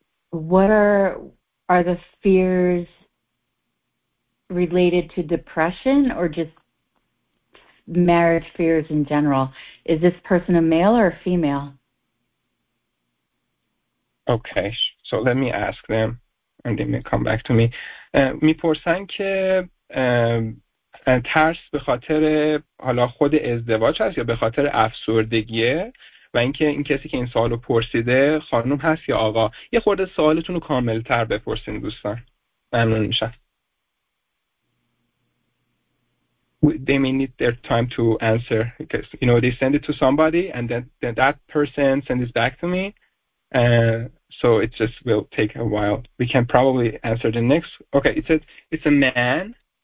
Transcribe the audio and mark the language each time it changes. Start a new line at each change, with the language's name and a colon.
English: What are the fears related to depression or just marriage fears in general? Is this person a male or a female? Okay, so let me ask them and they may come back to me.
Persian: میپرسن که ترس به خاطر حالا خود ازدواج هست یا به خاطر افسردگیه و اینکه این کسی که این سوالو پرسیده خانم هست یا آقا. یه خورده سوالتون رو کامل تر بپرسین دوستان. ممنون میشم.
English: They may need their time to answer because, you know, they send it to somebody and then that person sends it back to me. So it just will take a while. We can probably answer the next. Okay, it's a man.